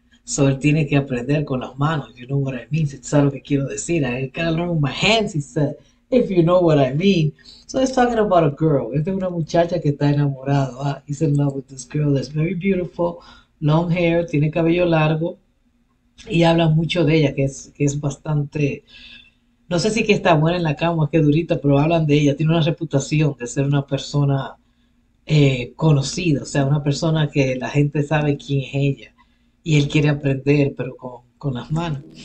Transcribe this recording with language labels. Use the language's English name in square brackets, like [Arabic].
[Spanish] So él tiene que aprender con las manos. [English] You know what I mean? It's [Spanish] lo que quiero decir. [English] I gotta learn with my hands, he said, if you know what I mean. So he's talking about a girl. [Spanish] Es de una muchacha que está enamorado. [English] Ah, he's in love with this girl that's very beautiful, long hair, [Spanish] tiene cabello largo. Y habla mucho de ella, que es bastante, no sé si que está buena en la cama, que durita, pero hablan de ella. Tiene una reputación de ser una persona conocida, o sea, una persona que la gente sabe quién es ella. Y él quiere aprender, pero con las manos.